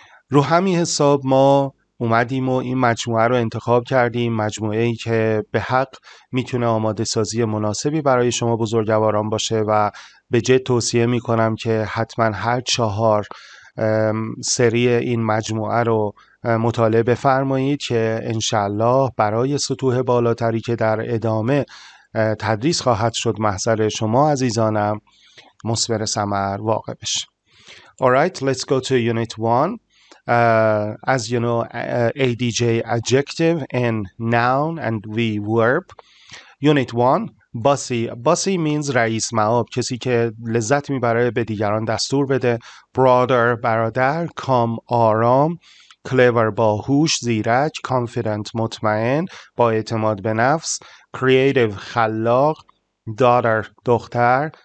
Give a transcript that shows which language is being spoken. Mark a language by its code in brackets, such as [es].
[fa] رو همین حساب ما اومدیم و این مجموعه رو انتخاب کردیم، مجموعه ای که به حق میتونه آماده سازی مناسبی برای شما بزرگواران باشه و به جد توصیه میکنم که حتما هر 4 سری این مجموعه رو مطالعه بفرمایید که انشالله برای سطوح بالاتری که در ادامه تدریس خواهد شد محضر شما عزیزانم مصبر سمر واقع بشه. [en] Alright, let's go to unit 1. As you know, ADJ adjective and noun and verb. Unit 1, bossy. Bossy means [fa] رئیس معاب، کسی که لذت میبره به دیگران دستور بده. Brother, برادر. Calm, آرام. Clever, باهوش، زیرک. Confident, مطمئن، با اعتماد به نفس. Creative, خلاق. Daughter, دختر.